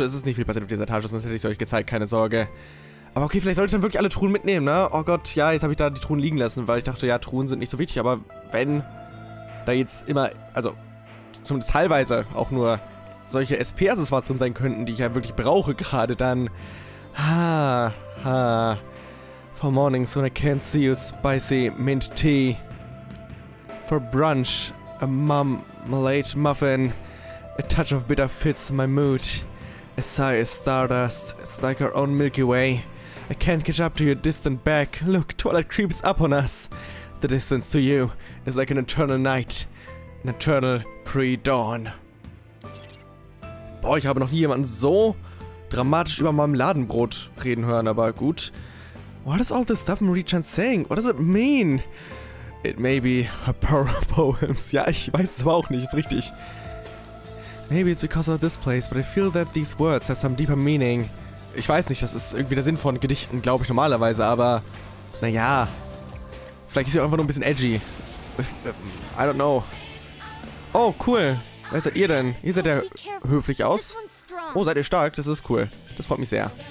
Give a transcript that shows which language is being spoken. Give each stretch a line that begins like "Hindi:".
German: Es ist nicht viel passiert auf dieser Etage, sonst hätte ich es euch gezeigt, keine Sorge. Aber okay, vielleicht sollte ich dann wirklich alle Truhen mitnehmen, ne? Oh Gott, ja, jetzt habe ich da die Truhen liegen lassen, weil ich dachte, ja, Truhen sind nicht so wichtig. Aber wenn da jetzt immer, also zumindest teilweise auch nur solche SPs was drin sein könnten, die ich ja wirklich brauche gerade, dann...
English: For morning, so I can't see you, spicy mint tea. For brunch, a marmalade muffin. A touch of bitter fits my mood. A sigh is stardust, it's like our own Milky Way. I can't catch up to your distant back. Look, twilight creeps up on us. The distance to you is like an eternal night. An eternal pre-dawn.
German: Boah, ich habe noch nie jemanden so dramatisch über Marmeladenbrot reden hören, aber gut.
English: What is all this stuff Marie-chan saying? What does it mean? It may be her pearl poems.
German: Ja, ich weiß es aber auch nicht, ist richtig.
English: Maybe it's because of this place, but I feel that these words have some deeper meaning.
German: Ich weiß nicht, das ist irgendwie der Sinn von Gedichten, glaube ich normalerweise, aber... Naja. Vielleicht ist sie auch einfach nur ein bisschen edgy.
English: I don't know.
German: Oh, cool. Wer seid ihr denn? Ihr seht ja höflich aus. Oh, seid ihr stark? Das ist cool. Das freut mich sehr.